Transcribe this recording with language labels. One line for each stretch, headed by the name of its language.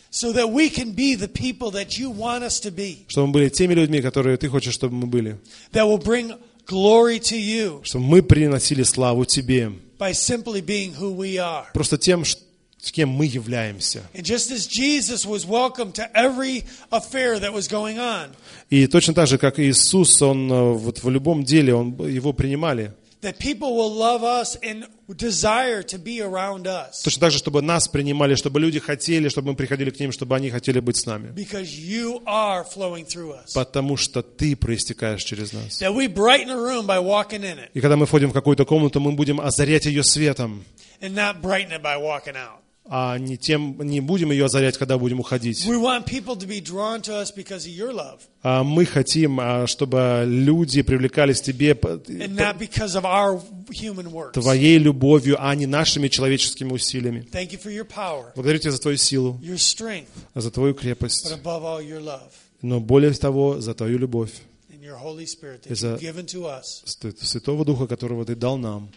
English: So that we can be the people that you want us to be.
Russian: Чтобы мы были теми людьми, которые ты хочешь, чтобы мы были.
English: That will bring glory to you.
Russian: Чтобы мы приносили славу тебе.
English: By simply being who we are.
Russian: Просто тем, с кем мы являемся.
English: And just as Jesus was welcome to every affair that was going on.
Russian: И точно так же, как Иисус, он вот в любом деле, он его принимали.
English: That people will love us and desire to be around us.
Russian: Точно так же, чтобы нас принимали, чтобы люди хотели, чтобы мы приходили к ним, чтобы они хотели быть с нами.
English: Because you are flowing through us.
Russian: Потому что ты проистекаешь через нас.
English: That we brighten a room by walking in it.
Russian: И когда мы входим в какую-то комнату, мы будем озарять ее светом.
English: And not brighten it by walking out.
Russian: А не тем, не будем ее озарять, когда будем уходить.
English: We want people to be drawn to us because of your love.
Russian: А мы хотим, чтобы люди привлекались к тебе
English: and not because of our human works.
Russian: Твоей любовью, а не нашими человеческими усилиями.
English: Thank you for your power.
Russian: Благодарю тебя за твою силу.
English: Your strength.
Russian: За твою крепость.
English: But above all, your love.
Russian: Но более того, за твою любовь.
English: Your Holy Spirit that you've given to us.
Russian: Святого Духа, которого ты дал нам.